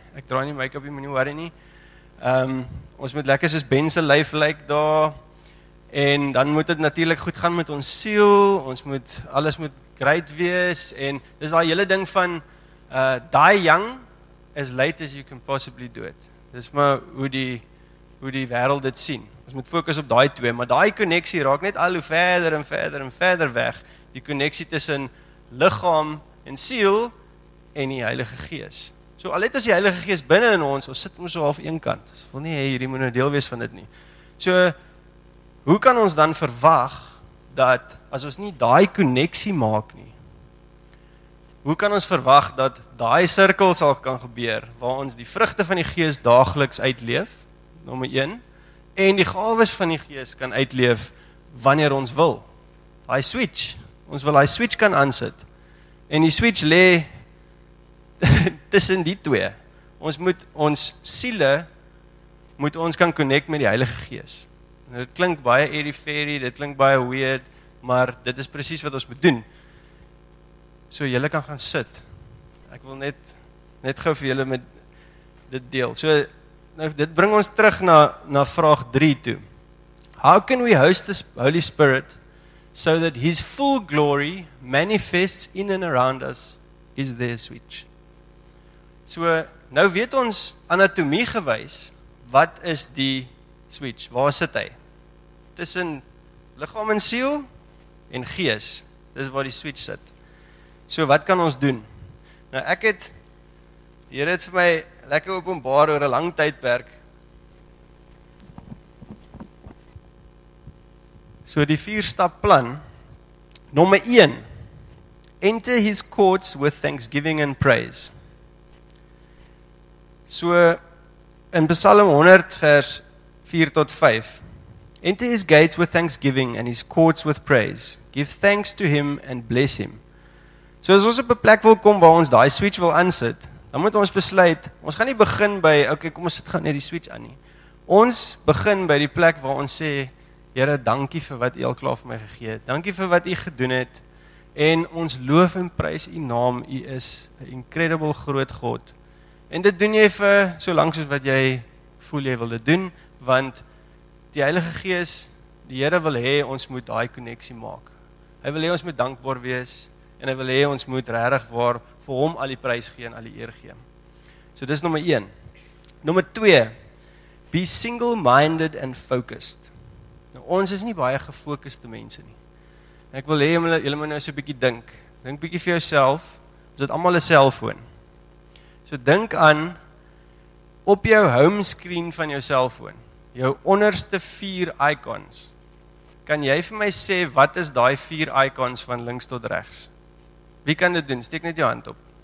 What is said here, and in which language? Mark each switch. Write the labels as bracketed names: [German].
[Afrikaans] Ek dra nie make-up, jy moenie worry nie. Ons moet lekker soos Ben se lyf lyk daar. En dan moet dit natuurlik goed gaan met ons siel. Ons moet alles moet great wees, en dis daai hele ding van die [English] young as late as you can possibly do it. [Afrikaans] Dis maar hoe die wêreld dit sien. Ons moet fokus op daai twee, maar daai koneksie raak net al hoe verder en verder en verder weg. Die koneksie tussen liggaam en siel en die Heilige Gees. So al het ons die Heilige Gees binne in ons, ons sit hom so half een kant. Ons wil nie hê hierdie moet 'n deel wees van dit nie. So hoe kan ons dan verwag dat as ons nie daai koneksie maak nie, hoe kan ons verwag dat daai sirkel sal kan gebeur waar ons die vrugte van die Gees daagliks uitleef, nommer 1, en die gawes van die Gees kan uitleef wanneer ons wil. Daai switch, ons wil daai switch kan aansit. En die switch lê tussen die twee. Ons moet ons siele moet ons kan connect met die Heilige Gees. Dit klink baie airy fairy, dit klink baie weird, maar dit is presies wat ons moet doen. So julle kan gaan sit. Ek wil net gou vir julle met dit deel. So nou, dit bring ons terug na vraag 3 toe. [English] How can we host the Holy Spirit so that his full glory manifests in and around us? Is there a switch? [Afrikaans] So nou weet ons anatomie gewys, wat is die switch? Waar sit hy? Tussen liggaam en siel en gees. Dis waar die switch sit. So wat kan ons doen? Nou ek het, die Here het vir my lekker openbaar oor 'n lang tydperk. So die 4-stap plan. Nommer 1. [English] Enter his courts with thanksgiving and praise. [Afrikaans] So in Psalm 100 vers 4 tot 5. [English] Enter his gates with thanksgiving and his courts with praise. Give thanks to him and bless him. [Afrikaans] So as ons op 'n plek wil kom waar ons daai switch wil aansit, dan moet ons besluit, ons gaan nie begin by, okay, kom ons sit gaan net die switch aan nie. Ons begin by die plek waar ons sê, Here, dankie vir wat U al klaar vir my gegee het. Dankie vir wat U gedoen het. En ons loof en prys U naam. U is 'n incredible groot God. En dit doen jy vir so lank soos wat jy voel jy wil dit doen, want die Heilige Gees, die Here wil hê ons moet daai koneksie maak. Hy wil hê ons moet dankbaar wees en hy wil hê ons moet regtig waar vir hom al die prys gee en al die eer gee. So dis nommer 1. Nommer 2. [English] Be single-minded and focused. [Afrikaans] Nou ons is nie baie gefokuste mense nie. En ek wil hê julle moet nou so 'n bietjie dink. Dink bietjie vir jouself. Ons het almal 'n selfoon. So dink aan op jou home screen van jou selfoon. Jou onderste 4 icons. Kan jy vir my sê wat is daai 4 icons van links tot regs? Wie kan dit doen? Steek net jou hand op.